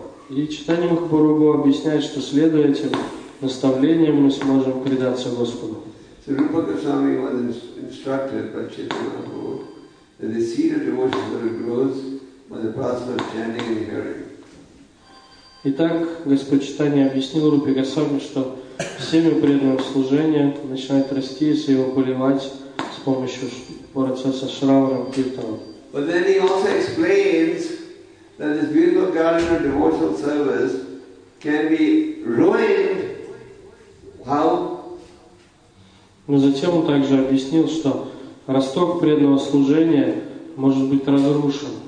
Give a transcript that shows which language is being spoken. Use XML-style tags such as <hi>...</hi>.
<ru>И Чайтанья Махапрабху объясняет, что следуя этим наставлением мы сможем предаться Господу.</ru> <en>So Rupa Goswami was instructed by Chaitanya Mahaprabhu that the seed of devotion sort of grows by the process of chanting and hearing.</en> <ru>Итак, Господь Чайтанья объяснил Рупе Госвами, что семя преданного служения начинает расти, если его поливать с помощью процесса шравана киртана.</ru> <en>But then he also explains that this beautiful garden of devotional service can be ruined. How?</en> <ru>Но затем он также объяснил, что росток преданного служения может быть разрушен.</ru>